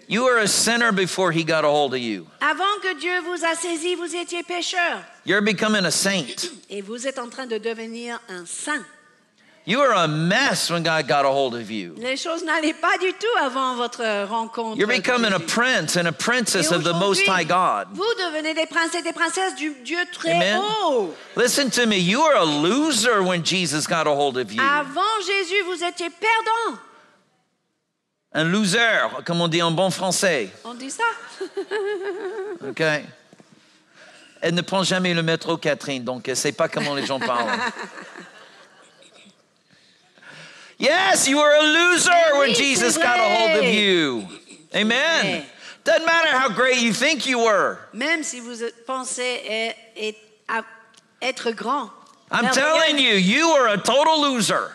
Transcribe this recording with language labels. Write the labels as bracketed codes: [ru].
[en] You were a sinner before he got a hold of you. [fr] Avant que Dieu vous a saisi, vous étiez pécheur. [en] You're becoming a saint. [fr] Et vous êtes en train de devenir un saint. [en] You were a mess when God got a hold of you. [fr] Les choses n'allaient pas du tout avant votre rencontre. [en] You're becoming a prince and a princess of the Most High God. [fr] Vous devenez des princes et des princesses du Dieu très haut. [en] Listen to me. You were a loser when Jesus got a hold of you. [fr] Avant Jésus, vous étiez perdant. Un loser, comme on dit en bon français. On dit ça. OK. Elle ne prend jamais le métro, Kathryn, donc elle ne sait pas comment les gens parlent. [en] Yes, you were a loser when Jesus got a hold of you. Amen. Doesn't matter how great you think you were. [fr] Même si vous pensez être grand. [en] I'm telling you, you were a total loser.